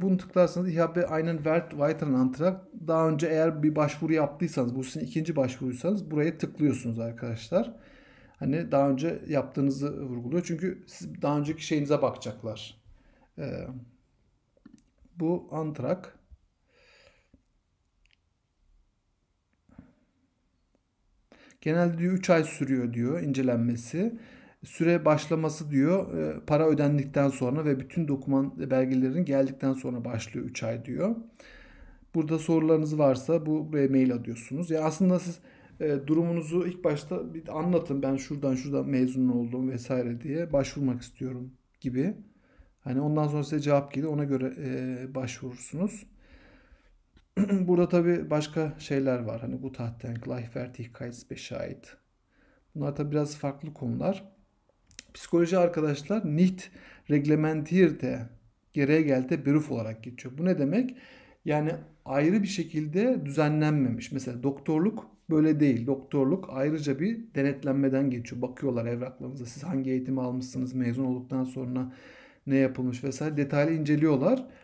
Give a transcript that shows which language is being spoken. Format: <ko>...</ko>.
<de>Bunu tıklarsanız ich habe einen weiteren Antrag.</de> <tr>Daha önce eğer bir başvuru yaptıysanız, bu sizin ikinci başvuruysanız buraya tıklıyorsunuz arkadaşlar. Hani daha önce yaptığınızı vurguluyor. Çünkü siz daha önceki şeyinize bakacaklar. Bu antrak. Genelde diyor 3 ay sürüyor diyor incelenmesi. Süre başlaması diyor para ödendikten sonra ve bütün doküman belgelerin geldikten sonra başlıyor 3 ay diyor. Burada sorularınız varsa buraya mail atıyorsunuz. Ya aslında siz durumunuzu ilk başta bir anlatın. Ben şuradan mezun oldum vesaire diye başvurmak istiyorum gibi. Hani ondan sonra size cevap gelir. Ona göre başvurursunuz. Burada tabii başka şeyler var. Hani bu tahten, Gleichwertigkeitsbescheid. Bunlar tabii biraz farklı konular. Psikoloji arkadaşlar</tr> <de>nicht reglementierte geregelte Beruf</de> <tr>olarak geçiyor. Bu ne demek? Yani ayrı bir şekilde düzenlenmemiş. Mesela doktorluk böyle değil. Doktorluk ayrıca bir denetlenmeden geçiyor. Bakıyorlar evraklarınıza, siz hangi eğitimi almışsınız, mezun olduktan sonra ne yapılmış vesaire detaylı inceliyorlar.</tr>